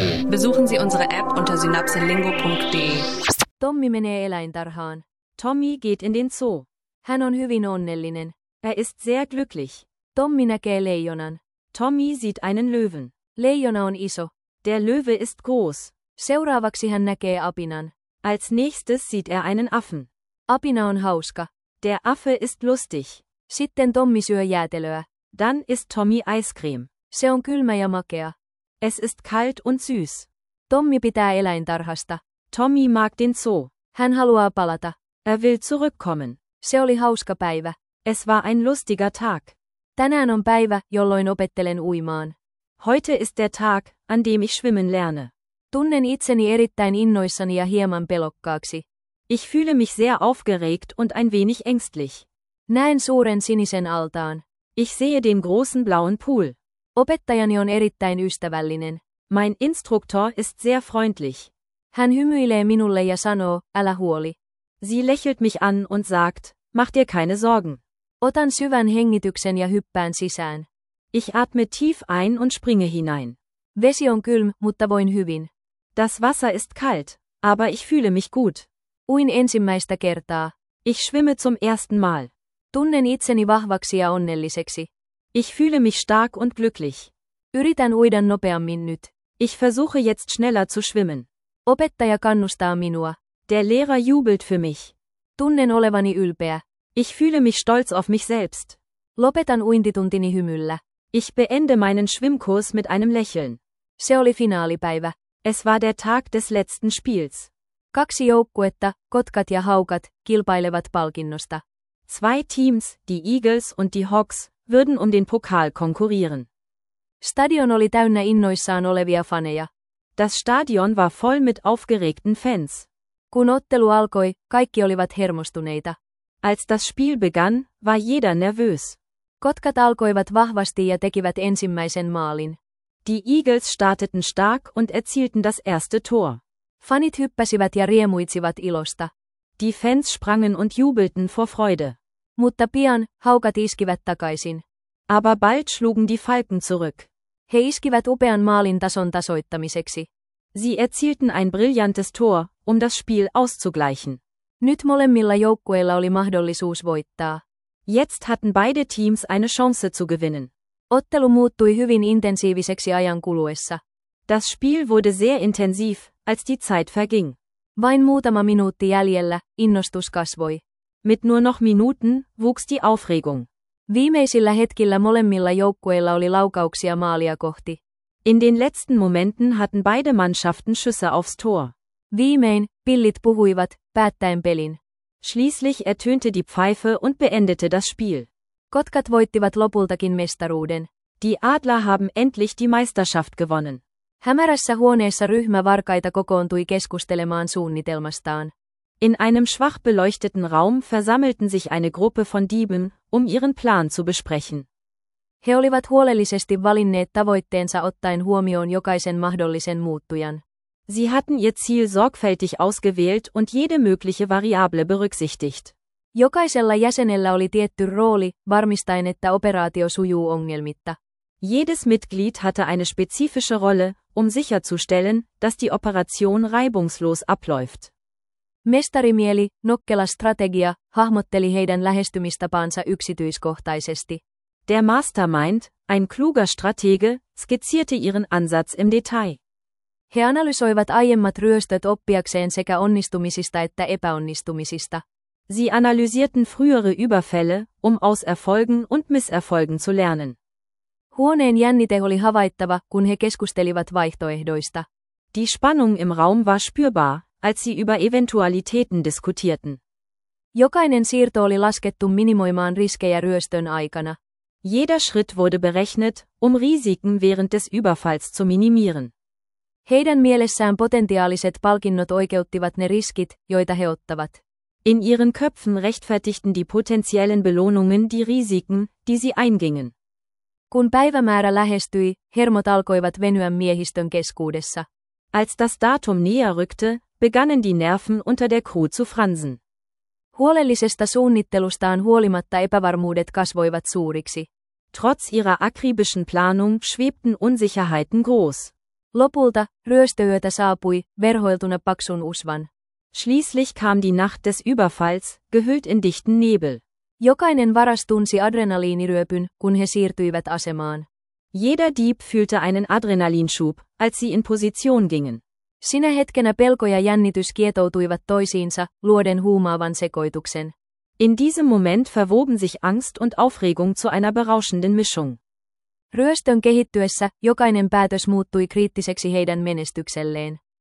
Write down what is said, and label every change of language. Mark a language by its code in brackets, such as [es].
[de] Besuchen Sie unsere App unter synapsenlingo.de. [fi] Tommi menee eläintarhaan. [de] Tommy geht in den Zoo. [fi] Hän on hyvin onnellinen. [de] Er ist sehr glücklich. [fi] Tommi näkee leijonan. [de] Tommy sieht einen Löwen. [fi] Leijona on iso. [de] Der Löwe ist groß. [fi] Seuraavaksi hän näkee apinan. [de] Als nächstes sieht er einen Affen. [fi] Apina on hauska. [de] Der Affe ist lustig. [fi] Sitten Tommi syö jäätelöä. [de] Dann ist Tommy Eiscreme. [fi] Se on kylmä ja makea. [de] Es ist kalt und süß. [fi] Tommy pitää eläintarhasta. [de] Tommy mag den Zoo. [fi] Hän haluaa palata. [de] Er will zurückkommen. [fi] Se oli hauska päivä. [de] Es war ein lustiger Tag. [fi] Tänään on päivä, jolloin opettelen uimaan. [de] Heute ist der Tag, an dem ich schwimmen lerne. [fi] Tunnen itseni erittäin innoissani ja hieman pelokkaaksi. [de] Ich fühle mich sehr aufgeregt und ein wenig ängstlich. [fi] Näen suuren sinisen altaan. [de] Ich sehe den großen blauen Pool. [fi] Opettajani on erittäin ystävällinen. [de] Mein Instruktor ist sehr freundlich. [fi] Hän hymyilee minulle ja sanoo, älä huoli. [de] Sie lächelt mich an und sagt, mach dir keine Sorgen. [fi] Otan syvän hengityksen ja hyppään sisään. [de] Ich atme tief ein und springe hinein. [fi] Vesi on kylm, mutta voin hyvin. [de] Das Wasser ist kalt, aber ich fühle mich gut. [fi] Uin ensimmäistä kertaa. [de] Ich schwimme zum ersten Mal. [fi] Tunnen itseni vahvaksi ja onnelliseksi. [de] Ich fühle mich stark und glücklich. [fi] Yritän uida nopeammin nyt. [de] Ich versuche jetzt schneller zu schwimmen. [fi] Opettaja kannustaa minua. [de] Der Lehrer jubelt für mich. [fi] Tunnen olevani ylpeä. [de] Ich fühle mich stolz auf mich selbst. [fi] Lopetan uintituntini hymyllä. [de] Ich beende meinen Schwimmkurs mit einem Lächeln. [fi] Se oli finaalipäivä. [de] Es war der Tag des letzten Spiels. [fi] Kaksi joukkuetta, Kotkat ja Haukat, kilpailevat palkinnosta. [de] Zwei Teams, die Eagles und die Hawks, würden um den Pokal konkurrieren. [fi] Stadion oli täynnä innoissaan olevia faneja. [de] Das Stadion war voll mit aufgeregten Fans. [fi] Kun ottelu alkoi, kaikki olivat hermostuneita. [de] Als das Spiel begann, war jeder nervös. [fi] Kotkat alkoivat vahvasti ja tekivät ensimmäisen maalin. [de] Die Eagles starteten stark und erzielten das erste Tor. [fi] Fanit hyppäsivät ja riemuitsivat ilosta. [de] Die Fans sprangen und jubelten vor Freude. [fi] Mutta pian, Haukat iskivät takaisin. [de] Aber bald schlugen die Falken zurück. [fi] He iskivät upean maalin tason tasoittamiseksi. [de] Sie erzielten ein brillantes Tor, um das Spiel auszugleichen. [fi] Nyt molemmilla joukkueilla oli mahdollisuus voittaa. [de] Jetzt hatten beide Teams eine Chance zu gewinnen. [fi] Ottelu muuttui hyvin intensiiviseksi ajan kuluessa. [de] Das Spiel wurde sehr intensiv, als die Zeit verging. [fi] Vain muutama minuutti jäljellä, innostus kasvoi. [de] Mit nur noch Minuten, wuchs die Aufregung. [fi] Viimeisillä hetkillä molemmilla joukkueilla oli laukauksia maalia kohti. [de] In den letzten Momenten hatten beide Mannschaften Schüsse aufs Tor. [fi] Viimein, pillit puhuivat, päättäen pelin. [de] Schließlich ertönte die Pfeife und beendete das Spiel. [fi] Kotkat voittivat lopultakin mestaruuden. [de] Die Adler haben endlich die Meisterschaft gewonnen. [fi] Hämärässä huoneessa ryhmä varkaita kokoontui keskustelemaan suunnitelmastaan. [de] In einem schwach beleuchteten Raum versammelten sich eine Gruppe von Dieben, um ihren Plan zu besprechen. [fi] He olivat huolellisesti valinneet tavoitteensa ottaen huomioon jokaisen mahdollisen muuttujan. [de] Sie hatten ihr Ziel sorgfältig ausgewählt und jede mögliche Variable berücksichtigt. [fi] Jokaisella jäsenellä oli tietty rooli, varmistaen, että operaatio sujuu ongelmitta. [de] Jedes Mitglied hatte eine spezifische Rolle, um sicherzustellen, dass die Operation reibungslos abläuft. [fi] Mestarimieli, nokkela strategia, hahmotteli heidän lähestymistapaansa yksityiskohtaisesti. [de] Der Mastermind, ein kluger Stratege, skizzierte ihren Ansatz im Detail. [fi] He analysoivat aiemmat ryöstöt oppiakseen sekä onnistumisista että epäonnistumisista. [de] Sie analysierten frühere Überfälle, um aus Erfolgen und Misserfolgen zu lernen. [fi] Huoneen jännite oli havaittava, kun he keskustelivat vaihtoehdoista. [de] Die Spannung im Raum war spürbar, als sie über Eventualitäten diskutierten. [fi] Jokainen siirto oli laskettu minimoimaan riskejä ryöstön aikana. [de] Jeder Schritt wurde berechnet, um Risiken während des Überfalls zu minimieren. [fi] Heidän mielessään potentiaaliset palkinnot oikeuttivat ne riskit, joita he ottavat. [de] In ihren Köpfen rechtfertigten die potenziellen Belohnungen die Risiken, die sie eingingen. [fi] Kun päivämäärä lähestyi, hermot alkoivat venyä miehistön keskuudessa. [de] Als das Datum näher rückte, begannen die Nerven unter der Crew zu fransen. [fi] Huolellisesta suunnittelustaan huolimatta epävarmuudet kasvoivat suuriksi. [de] Trotz ihrer akribischen Planung schwebten Unsicherheiten groß. [fi] Lopulta, ryöstöyötä saapui, verhoiltuna paksun usvan. [de] Schließlich kam die Nacht des Überfalls, gehüllt in dichten Nebel. [fi] Jokainen varas tunsi adrenaliiniryöpyn, kun he siirtyivät asemaan. [de] Jeder Dieb fühlte einen Adrenalinschub, als sie in Position gingen. [fi] Sinä hetkenä pelko ja jännitys kietoutuivat toisiinsa, luoden huumaavan sekoituksen. [de] In diesem Moment verwoben sich Angst und Aufregung zu einer berauschenden Mischung. [fi] Ryöstön kehittyessä, jokainen päätös muuttui kriittiseksi heidän menestykselleen.